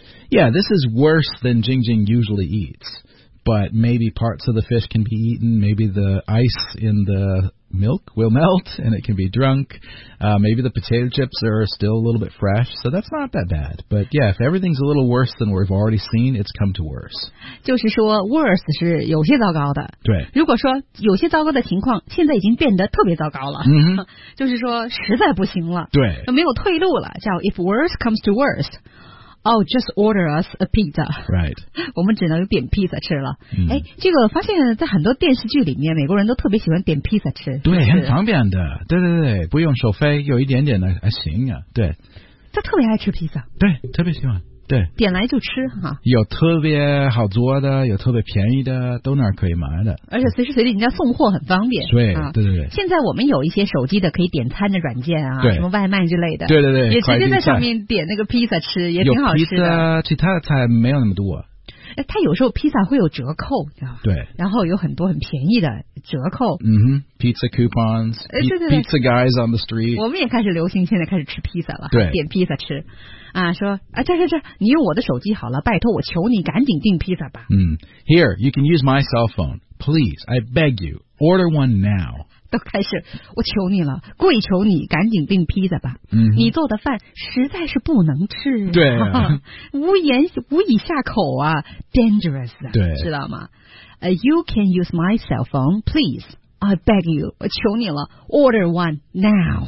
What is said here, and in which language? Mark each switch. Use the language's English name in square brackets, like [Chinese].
[English] Yeah, this is worse than Jing Jing usually eats. But maybe parts of the fish can be eaten. Maybe the ice in the milk will melt and it can be drunk. Maybe the potato chips are still a little bit fresh, so that's not that bad. But yeah, if everything's a little worse than we've already seen, it's come to worse. [Chinese] 就是说 worse 是有些糟糕的。对。如果说有些糟糕的情况现在已经变得特别糟糕了。 Mm-hmm. 就是说实在不行了。对。没有退路了，叫 [English] if worse comes to worse。Oh, just order us a pizza. Right. [Chinese] 我们只能点披萨吃了。 Mm. 诶，这个发现在很多电视剧里面，美国人都特别喜欢点披萨吃。对，很方便的。对对对，不用收费，有一点点的还行啊。对。他特别爱吃披萨。对，特别喜欢。对。点来就吃哈。有特别好做的，有特别便宜的，都那儿可以买的。而且随时随地人家送货很方便。对，啊，对对对。现在我们有一些手机的可以点餐的软件啊，什么外卖之类的。对对对。也直接在上面点那个披萨吃，也挺好吃的。有披萨，其他的菜没有那么多。哎，他有时候披萨会有折扣，你知道吗？对。然后有很多很便宜的折扣。 [English] 嗯哼 ，pizza coupons， [Chinese] 对对对 [English] pizza guys on the street。 [Chinese] 我们也开始流行，现在开始吃披萨了。对。点披萨吃。啊，说啊，这这这，你用我的手机好了，拜托，我求你赶紧订披萨吧。 [English] 嗯 ，Here you can use my cell phone, please, I beg you, order one now。 [Chinese] 都开始，我求你了，跪求你赶紧订披萨吧。嗯、mm-hmm. ，你做的饭实在是不能吃，对、啊，无以下口啊 ，dangerous 啊，对，知道吗 [English] ？You can use my cell phone, please, I beg you, [Chinese] 我求你了 [English] ，order one now。